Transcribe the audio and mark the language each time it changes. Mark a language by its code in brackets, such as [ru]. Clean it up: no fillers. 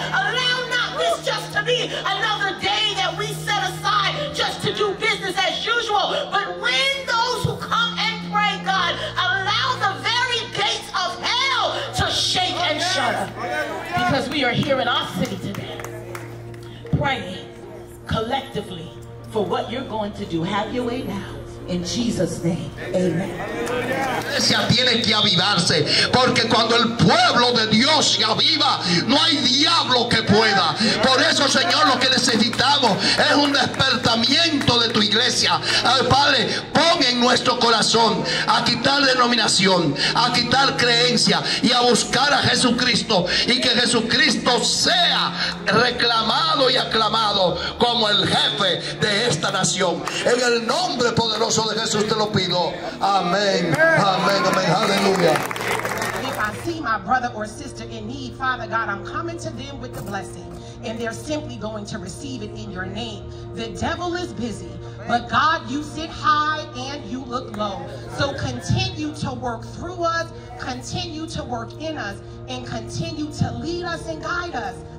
[en] Allow not this just to be another day that we set aside just to do business as usual, but when those who come and pray, God, allow the very gates of hell to shake and shudder. Because we are here in our city today praying collectively for what you're going to do. Have your way now. In Jesus' name, amen. [es] La iglesia tiene que avivarse, porque cuando el pueblo de Dios se aviva, no hay diablo que pueda. Por eso, Señor, lo que necesitamos es un despertamiento de tu iglesia. Padre, pon en nuestro corazón a quitar denominación, a quitar creencia y a buscar a Jesucristo, y que Jesucristo sea reclamado y aclamado como el jefe de esta nación. En el nombre poderoso de Jesús te lo pido. Amén. Amén. Amén. Aleluya. [en] I see my brother or sister in need, Father God, I'm coming to them with the blessing, and they're simply going to receive it in your name. The devil is busy, but God, you sit high and you look low. So continue to work through us, continue to work in us, and continue to lead us and guide us.